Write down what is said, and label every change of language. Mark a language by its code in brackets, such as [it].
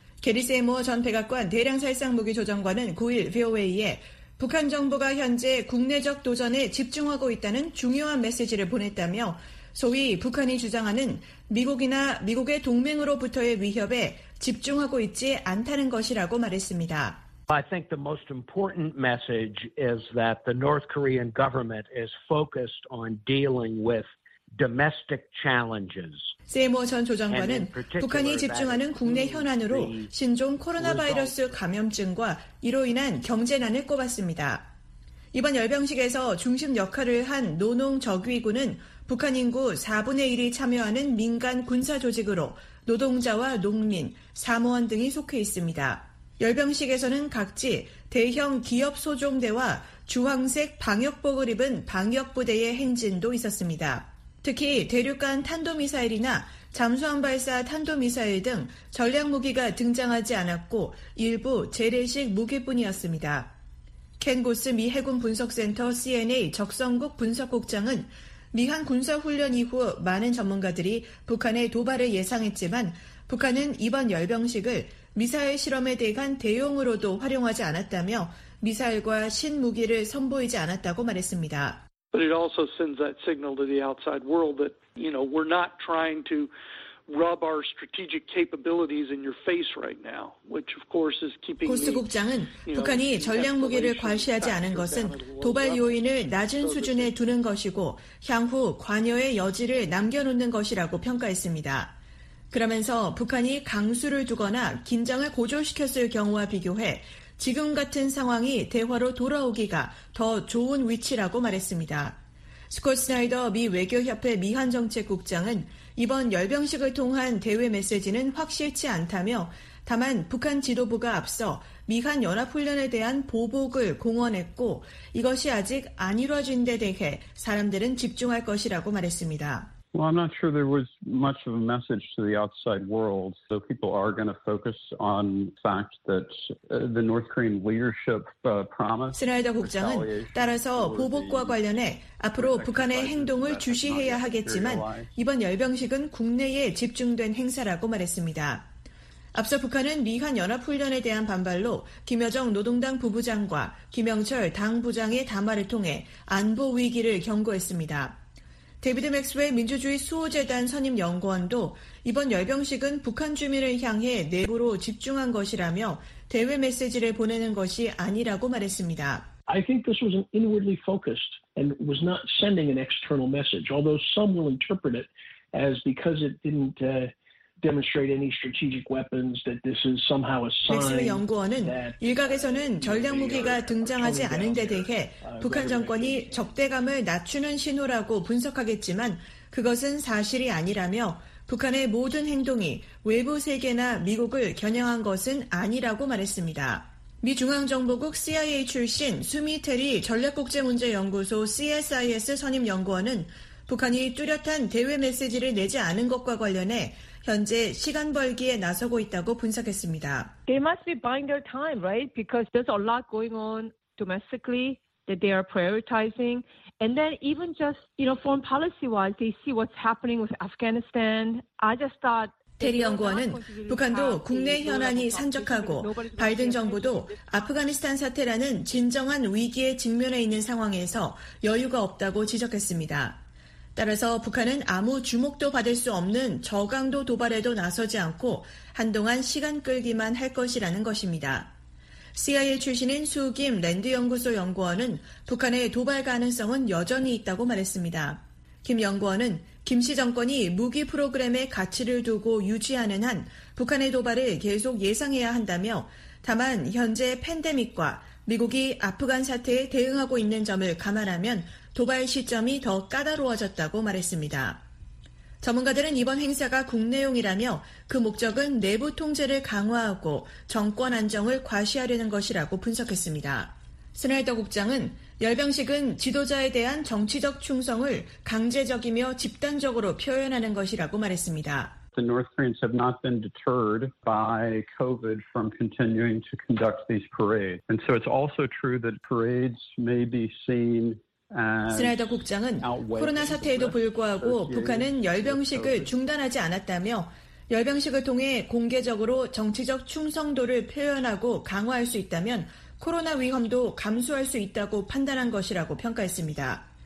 [ko] 게리 세이머 전 백악관 대량살상무기조정관은 9일 VOA에 북한 정부가 현재 국내적 도전에 집중하고 있다는 중요한 메시지를 보냈다며 소위 북한이 주장하는 미국이나 미국의 동맹으로부터의 위협에 집중하고 있지 않다는 것이라고 말했습니다. [en] I think the most important message is that the North Korean government is focused on dealing with domestic challenges. [ko] 세이머 전 조정관은 북한이 집중하는 국내 현안으로 신종 코로나 바이러스 감염증과 이로 인한 경제난을 꼽았습니다. 이번 열병식에서 중심 역할을 한 노농 적위군은 북한 인구 4분의 1이 참여하는 민간 군사 조직으로 노동자와 농민, 사무원 등이 속해 있습니다. 열병식에서는 각지 대형 기업 소종대와 주황색 방역복을 입은 방역부대의 행진도 있었습니다. 특히 대륙간 탄도미사일이나 잠수함 발사 탄도미사일 등 전략무기가 등장하지 않았고 일부 재래식 무기뿐이었습니다. 켄 고스 미 해군 분석센터 CNA 적성국 분석국장은 미한 군사훈련 이후 많은 전문가들이 북한의 도발을 예상했지만 북한은 이번 열병식을 미사일 실험에 대한 대용으로도 활용하지 않았다며 미사일과 신무기를 선보이지 않았다고 말했습니다. [en] But it also sends that signal to the outside world that, you know, we're not trying to rub our strategic capabilities in your face right now, which of course is keeping. [ko] 고스 국장은 북한이 전략 무기를 과시하지 않은 것은 도발 요인을 낮은 수준에 두는 것이고 향후 관여의 여지를 남겨놓는 것이라고 평가했습니다. 그러면서 북한이 강수를 두거나 긴장을 고조시켰을 경우와 비교해 지금 같은 상황이 대화로 돌아오기가 더 좋은 위치라고 말했습니다. 스콧 스나이더 미 외교협회 미한정책국장은 이번 열병식을 통한 대외 메시지는 확실치 않다며 다만 북한 지도부가 앞서 미한연합훈련에 대한 보복을 공언했고 이것이 아직 안 이루어진 데 대해 사람들은 집중할 것이라고 말했습니다. [en] Well, I'm not sure there was much of a message to the outside world. So people are going to focus on the fact that the North Korean leadership promised. [ko] 스나이더 국장은 따라서 보복과 관련해 앞으로 북한의 행동을 주시해야 하겠지만 이번 열병식은 국내에 집중된 행사라고 말했습니다. 앞서 북한은 미한 연합훈련에 대한 반발로 김여정 노동당 부부장과 김영철 당 부장의 담화를 통해 안보 위기를 경고했습니다. 데이비드 맥스웰 민주주의 수호재단 선임 연구원도 이번 열병식은 북한 주민을 향해 내부로 집중한 것이라며 대외 메시지를 보내는 것이 아니라고 말했습니다. [en] I think this was an inwardly focused and was not sending an external message, although some will interpret it as because it didn't demonstrate any strategic weapons that this is somehow a sign. [ko] 맥스웰 연구원은 일각에서는 전략 무기가 등장하지 않은 데 대해 북한 정권이 적대감을 낮추는 신호라고 분석하겠지만 그것은 사실이 아니라며 북한의 모든 행동이 외부 세계나 미국을 겨냥한 것은 아니라고 말했습니다. 미 중앙정보국 CIA 출신 수미 테리 전략국제문제연구소 CSIS 선임 연구원은 북한이 뚜렷한 대외 메시지를 내지 않은 것과 관련해 현재 시간 벌기에 나서고 있다고 분석했습니다. [en] They must be buying their time, right? Because there's a lot going on domestically that they are prioritizing. And then even just, you know, foreign policy-wise, they see what's happening with Afghanistan. I just thought [ko] 테리 연구원은 북한도 국내 현안이 산적하고 바이든 정부도 아프가니스탄 사태라는 진정한 위기에 직면해 있는 상황에서 여유가 없다고 지적했습니다. 따라서 북한은 아무 주목도 받을 수 없는 저강도 도발에도 나서지 않고 한동안 시간 끌기만 할 것이라는 것입니다. CIA 출신인 수김 랜드연구소 연구원은 북한의 도발 가능성은 여전히 있다고 말했습니다. 김 연구원은 김 씨 정권이 무기 프로그램의 가치를 두고 유지하는 한 북한의 도발을 계속 예상해야 한다며 다만 현재 팬데믹과 미국이 아프간 사태에 대응하고 있는 점을 감안하면 도발 시점이 더 까다로워졌다고 말했습니다. 전문가들은 이번 행사가 국내용이라며 그 목적은 내부 통제를 강화하고 정권 안정을 과시하려는 것이라고 분석했습니다. 스나이더 국장은 열병식은 지도자에 대한 정치적 충성을 강제적이며 집단적으로 표현하는 것이라고 말했습니다. [en] The North Koreans have not been deterred by COVID from continuing to conduct these parades. And so it's also true that parades may be seen as [ko] 스나이더 국장은 코로나 사태에도 불구하고 북한은 열병식을 중단하지 않았다며 열병식을 통해 공개적으로 정치적 충성도를 표현하고 강화할 수 있다면 코로나 위험도 감수할 수 있다고 판단한 것이라고 평가했습니다.